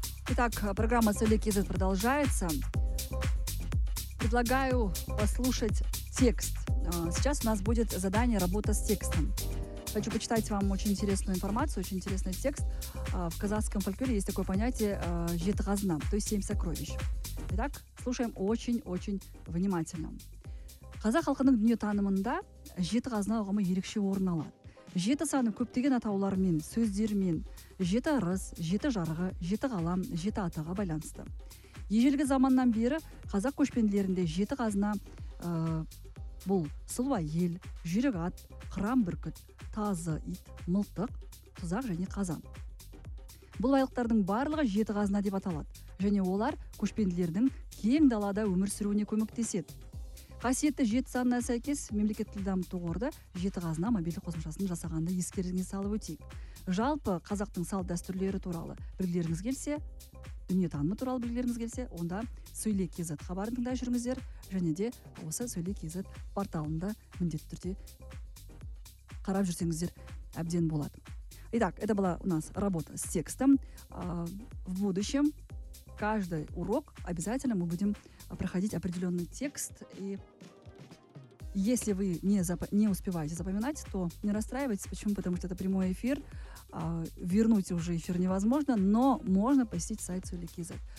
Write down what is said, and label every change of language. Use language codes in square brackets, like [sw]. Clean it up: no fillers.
[ru] Итак, программа Сулья Кизет продолжается. Предлагаю послушать текст. Сейчас у нас будет задание «Работа с текстом». Хочу почитать вам очень интересную информацию, очень интересный текст. В казахском фольклоре есть такое понятие «жетхазна», то есть «семь сокровищ». Итак, слушаем очень-очень внимательно. [kk] Қазақ халқының дүние танымында жеті қазына ұғымы ерекше орын алады. Жеті саны көптеген атаулармен, сөздермен, жеті ырыс, жеті жарығы, жеті ғалам, жеті атаға байланысты. Ежелгі заманнан бері қазақ көшпенділерінде жеті қазына бұл сылва ел, жүрек ат, қыран бүркіт, тазы ит, мылтық, тұзақ және қазан. Бұл байлықтардың барлығы жеті қазына деп аталады. Және олар көшпенділердің кең далада өмір сүруіне көмектеседі. Қасиетті жеті санына сәйкес мемлекеттілік дамыту қорында жеті қазына мобильдік қосымшасын жасағанды ескеріңізге салып өтейік. Жалпы қазақтың салт-дәстүрлері туралы білгілеріңіз келсе, дүниетанымы туралы білгілеріңіз келсе, онда сөйле.кз хабарын тыңдай жүріңіздер, және де осы сөйле.кз порталында міндетті түрде қарап жүрсеңіздер әбден болады. [ru] Итак, это была у нас работа с текстом. В будущем каждый урок обязательно мы будем проходить определенный текст. И если вы не успеваете запоминать, то не расстраивайтесь. Почему? Потому что это прямой эфир. Вернуть уже эфир невозможно, но можно посетить сайт Сулики.кз.